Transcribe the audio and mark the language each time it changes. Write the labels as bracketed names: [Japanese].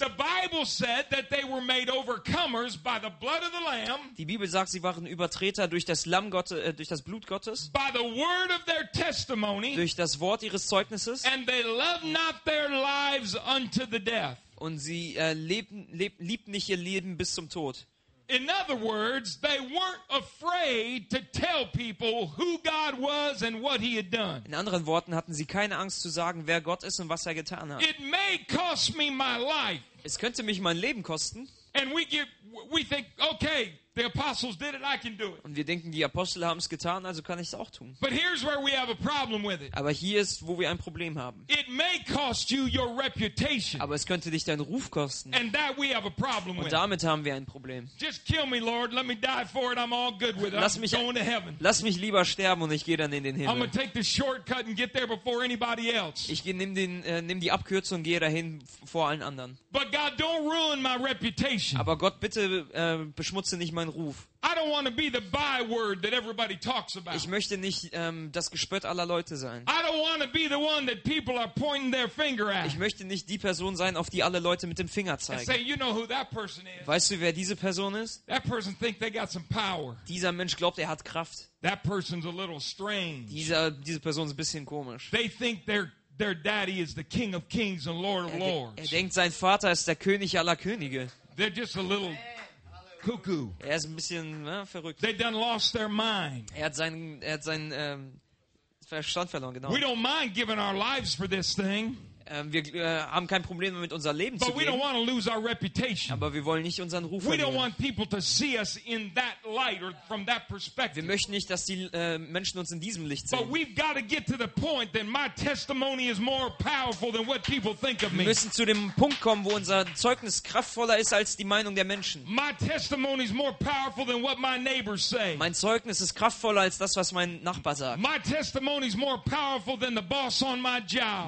[English] The Bible said that they were made overcomers by the blood of the Lamb. [German] Die Bibel sagt, sie waren Übertreter durch das Lamm Gottes, durch das Blut Gottes. [English] By the word of their testimony. [German] Durch das Wort ihres Zeugnisses. [English] And they loved not their lives unto the death. [German] Und sie liebten nicht ihr Leben bis zum Tod. [English] In other words, they weren't afraid to tell people who God was and what he had done. [German] In anderen Worten, hatten sie keine Angst zu sagen, wer Gott ist und was er getan hat. [English] It may cost me my life. [German] Es könnte mich mein Leben kosten. [English] And we think, okay, the apostles did it, I can do it. [German] Und wir denken, die Apostel haben es getan, also kann ich es auch tun. [English] But here's where we have a problem with it. [German] Aber hier ist, wo wir ein Problem haben. [English] It may cost you your reputation. [German] Aber es könnte dich deinen Ruf kosten. [English] And that we have a problem with. [German] Und damit haben wir ein Problem. [English] Just kill me, Lord. Let me die for it. I'm all good with it. [German] Lass mich, [English] I'm going to heaven. [German] Lass mich lieber sterben und ich gehe dann in den Himmel. [English] I'm gonna take the shortcut and get there before anybody else. [German] Ich nehme die Abkürzung und gehe dahin vor allen anderen. [English] But God, don't ruin my reputation. [German] Aber Gott, bitte beschmutze nicht meinen Ruf. [English] I don't want to be the byword that everybody talks about. [German] Ich möchte nicht das Gespött aller Leute sein. [English] I don't want to be the one that people are pointing their finger at. [German] Ich möchte nicht die Person sein, auf die alle Leute mit dem Finger zeigen. [English] Say, you know who that person is. [German] Weißt du, wer diese Person ist? [English] That person think they got some power. [German] Dieser Mensch glaubt, er hat Kraft. [English] That person's a little strange. [German] Diese Person ist ein bisschen komisch. [English] They think their daddy is the King of Kings and Lord of Lords. [German] Er denkt, sein Vater ist der König aller Könige. [English] They're just a little cuckoo. [German] Er ist ein bisschen verrückt. [English] They done lost their mind. [German] Er hat seinen Verstand verloren, genau. [English] We don't mind giving our lives for this thing. [German] Wir haben kein Problem mit unser Leben [English] but [German] zu geben. [English] But we don't want to lose our reputation. [German] Aber wir wollen nicht unseren Ruf verlieren. [English] We don't want people to see us in that light or from that perspective. [German] Wir möchten nicht, dass die Menschen uns in diesem Licht sehen. [English] But we've got to get to the point that my testimony is more powerful than what people think of me. [German] Wir müssen zu dem Punkt kommen, wo unser Zeugnis kraftvoller ist als die Meinung der Menschen. [English] My testimony is more powerful than what my neighbors say. [German] Mein Zeugnis ist kraftvoller als das, was mein Nachbar sagt. [English] My testimony is more powerful than the boss on my job.